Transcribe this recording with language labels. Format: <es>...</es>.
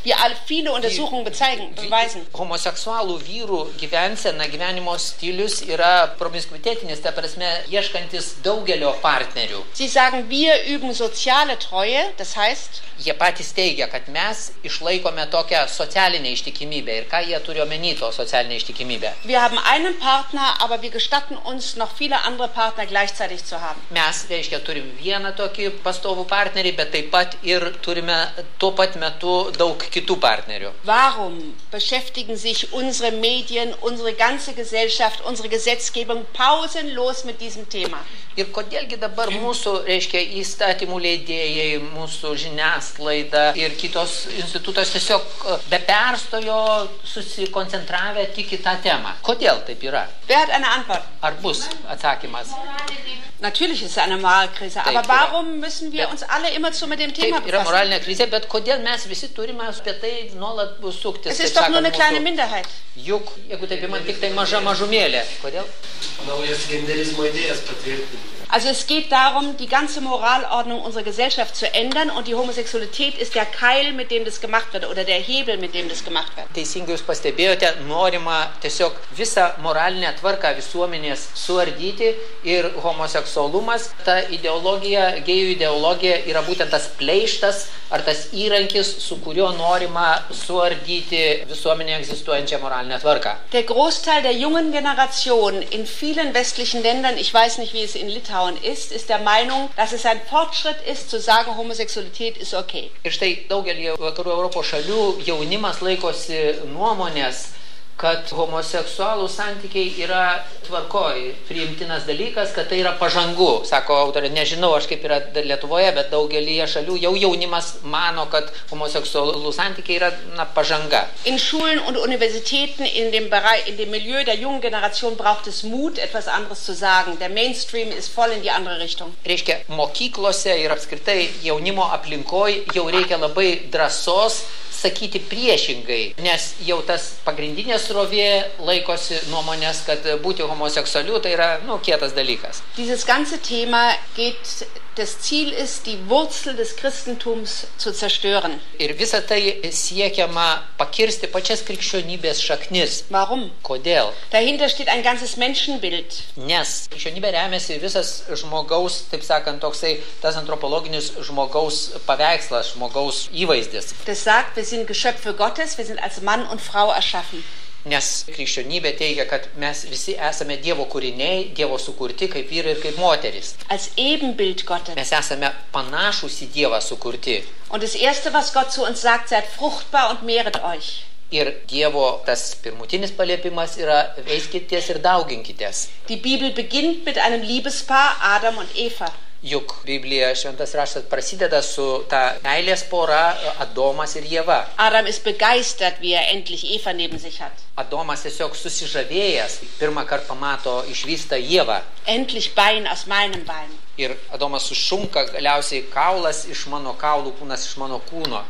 <de>Wie alle viele Untersuchungen beweisen.</de> <lt>Homoseksualų vyrų gyvensena, gyvenimo stilius yra promiskuitetinis, ta prasme, ieškantis daugelio partnerių.</lt> <de>Sie sagen, wir üben soziale Treue, das heißt...</de> <lt>Jie patys teigia, kad mes išlaikome tokią socialinę ištikimybę ir ką jie turi omeny to socialinę ištikimybę.</lt> <de>Wir haben einen Partner, aber wir gestatten uns noch viele andere Partner gleichzeitig zu haben.</de> <lt>Mes, reiškia, turim vieną tokį pastovų partnerį, bet taip pat ir turime tuo pat metu daug kitų partnerių.</lt> <de>Warum beschäftigen sich unsere Medien, unsere ganze Gesellschaft, unsere Gesetzgebung pausenlos mit diesem Thema?</de> <lt>Ir kodėlgi dabar mūsų, reiškia, įstatymų leidėjai, mūsų žiniasklaida ir kitos institutos tiesiog be perstojo susikoncentravę tik į tą temą. Kodėl taip yra?</lt> <de>Wer hat eine Antwort?</de> <lt>Ar bus atsakymas?</lt> <de>Natürlich ist es eine Moralkrise, aber warum müssen wir uns alle immer so mit dem Thema befassen?</de> <lt>Yra moralinė krizė, bet kodėl mes visi turime apie tai nuolat suktis?</lt> <de>Es ist doch nur eine kleine Minderheit.</de> <lt>Juk, jeigu taip man tik tai maža mažumėlė. Kodėl? Naujas genderizmo idėjas patvirtinti.</lt> <de>Also es geht darum, die ganze Moralordnung unserer Gesellschaft zu ändern und die Homosexualität ist der Keil, mit dem das gemacht wird oder der Hebel, mit dem das gemacht wird.</de> <lt>Teisingai jūs pastebėjote, norima tiesiog visą moralinę tvarką visuomenės suardyti ir homoseksualumas, ta ideologija, gėjų ideologija yra būtent tas pleištas ar tas įrankis, su kuriuo norima suardyti visuomenė egzistuojančią moralinę tvarką.</lt> <de>Der Großteil der jungen Generation in vielen westlichen Ländern, ich weiß nicht, wie es in Litauen ist, ist der Meinung, dass es ein Fortschritt ist, zu sagen, Homosexualität ist okay.</de> <lt>Ir štai daugelį vakarų Europos šalių jaunimas laikosi nuomonės, kad homoseksualų santykiai yra tvarkoj priimtinas dalykas, kad tai yra pažangu, sako autorė, nežinau aš kaip yra Lietuvoje, bet daugelyje šalių jau jaunimas mano, kad homoseksualų santykiai yra na, pažanga.</lt> <de>In Schulen und Universitäten in dem Bereich, in dem Milieu der jungen Generation braucht es Mut, etwas anderes zu sagen. Der Mainstream ist voll in die andere Richtung.</de> <lt>Reiškia, mokyklose ir apskritai jaunimo aplinkoj jau reikia labai drąsos sakyti priešingai, nes jau tas pagrindinės srovė laikosi nuomonės, kad būti homoseksualiu tai yra, nu, kietas dalykas.</lt> <de>Dieses ganze Thema geht, das Ziel ist, die Wurzel des Christentums zu zerstören.</de> <lt>Ir visa tai siekiama pakirsti pačias krikščionybės šaknis.</lt> <de>Warum?</de> <lt>Kodėl?</lt> <de>Dahinter steht ein ganzes Menschenbild.</de> <lt>Nes krikščionybė remiasi visas žmogaus, taip sakant, toksai tas antropologinis žmogaus paveikslas, žmogaus įvaizdis.</lt> <de>Das sagt, wir sind Geschöpfe Gottes, wir sind als Mann und Frau erschaffen.</de> <lt>Nes krikščionybė teigia, kad mes visi esame Dievo kūriniai, Dievo sukurti kaip vyrai ir kaip moteris.</lt> <de>Als Ebenbild Gottes.</de> <lt>Mes esame panašūs į Dievą sukurti.</lt> <de>Und das erste, was Gott zu uns sagt, seid fruchtbar und mehret euch.</de> <lt>Ir Dievo tas pirmutinis paliepimas yra veiskitės ir dauginkitės.</lt> <de>Die Bibel beginnt mit einem Liebespaar Adam und Eva.</de> <lt>Juk Biblija šventas raštas prasideda su ta meilės pora Adomas ir Ieva.</lt> <de>Adam ist begeistert, wie endlich Eva neben sich hat.</de> <lt>Adomas tiesiog susižavėjęs, pirmą kartą pamato išvystą Ievą.</lt> <de>Endlich Bein aus meinem Bein.</de> <lt>Ir Adomas sušunka galiausiai kaulas iš mano kaulų, kūnas iš mano kūno.</lt>